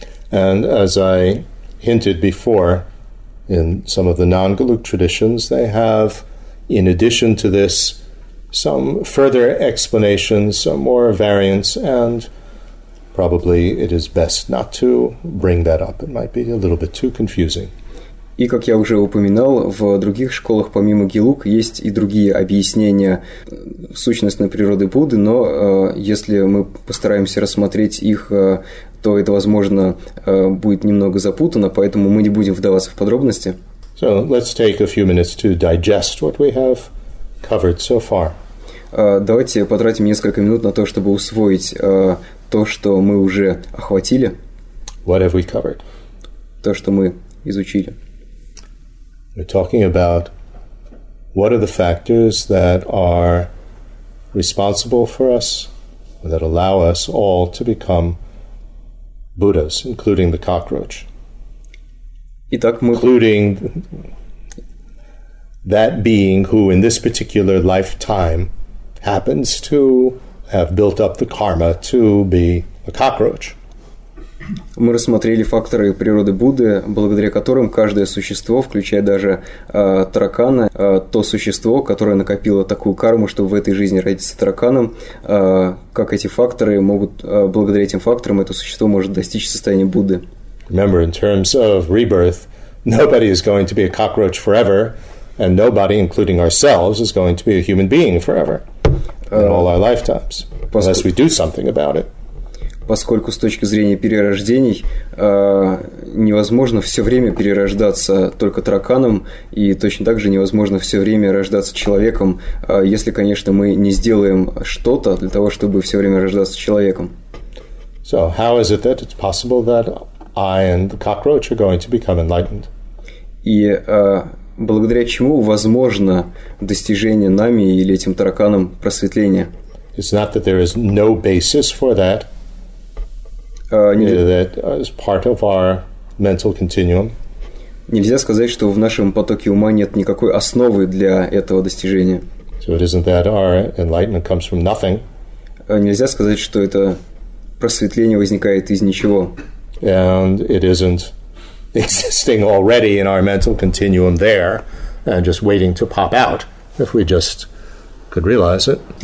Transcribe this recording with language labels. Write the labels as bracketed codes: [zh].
[en] And as I hinted before, in some of the non-Galuk traditions, they have, in addition to this, some further explanations, some more variants, and probably it is best not to bring that up. It might be a little bit too confusing. [ru] И, как я уже упоминал, в других школах, помимо Гелук, есть и другие объяснения сущностной природы Будды, но если мы постараемся рассмотреть их, то это, возможно, будет немного запутано, поэтому мы не будем вдаваться в подробности. [en] So, let's take a few minutes to digest what we have covered so far. [ru] Давайте потратим несколько минут на то, чтобы усвоить то, что мы уже охватили. [en] What have we covered? [ru] То, что мы изучили. [en] We're talking about what are the factors that are responsible for us, that allow us all to become Buddhas, including the cockroach. [ru] Итак, мы... [en] Including that being who in this particular lifetime happens to have built up the karma to be a cockroach. [ru] Мы рассмотрели факторы природы Будды, благодаря которым каждое существо, включая даже таракана, то существо, которое накопило такую карму, чтобы в этой жизни родиться тараканом, как эти факторы могут, благодаря этим факторам, это существо может достичь состояния Будды. [en] Remember, in terms of rebirth, nobody is going to be a cockroach forever, and nobody, including ourselves, is going to be a human being forever in all our lifetimes, unless we do something about it. [ru] Поскольку с точки зрения перерождений невозможно все время перерождаться только тараканом, и точно так же невозможно все время рождаться человеком, если, конечно, мы не сделаем что-то для того, чтобы все время рождаться человеком. [en] So, how is it that it's possible that I and the cockroach are going to become enlightened? [ru] И благодаря чему возможно достижение нами или этим тараканом просветления? [en] It's not that there is no basis for that. That is part of our mental continuum. [ru] Нельзя сказать, что в нашем потоке ума нет никакой основы для этого достижения. [en] So it isn't that our enlightenment comes from nothing. [ru] Нельзя сказать, что это просветление возникает из ничего. [en] And it isn't existing already in our mental continuum there and just waiting to pop out if we just could realize it.